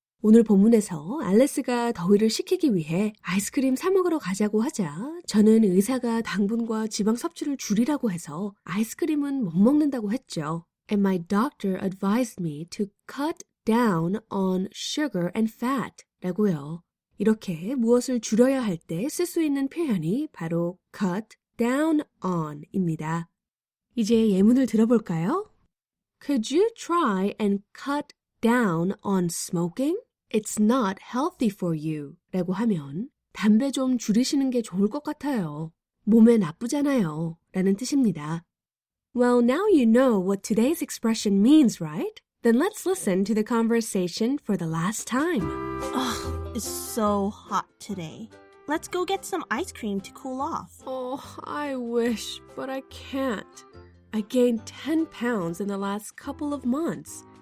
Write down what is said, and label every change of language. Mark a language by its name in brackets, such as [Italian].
[Korean] 오늘 본문에서 알레스가 더위를 식히기 위해 아이스크림 사 먹으러 가자고 하자 저는 의사가 당분과 지방 섭취를 줄이라고 해서 아이스크림은 못 먹는다고 했죠. [English] And my doctor advised me to cut down on sugar and fat [Korean] 라고요. 이렇게 무엇을 줄여야 할 때 쓸 수 있는 표현이 바로 cut down on 입니다. 이제 예문을 들어볼까요? [English] Could you try and cut down on smoking? It's not healthy for you. [Korean] 라고 하면 담배 좀 줄이시는 게 좋을 것 같아요. 몸에 나쁘잖아요. 라는 뜻입니다. [English] Well, now you know what today's expression means, right? Then let's listen to the conversation for the last time. Ugh, it's so hot today. Let's go get some ice cream to cool off. Oh, I wish, but I can't. I gained 10 pounds in the last couple of months.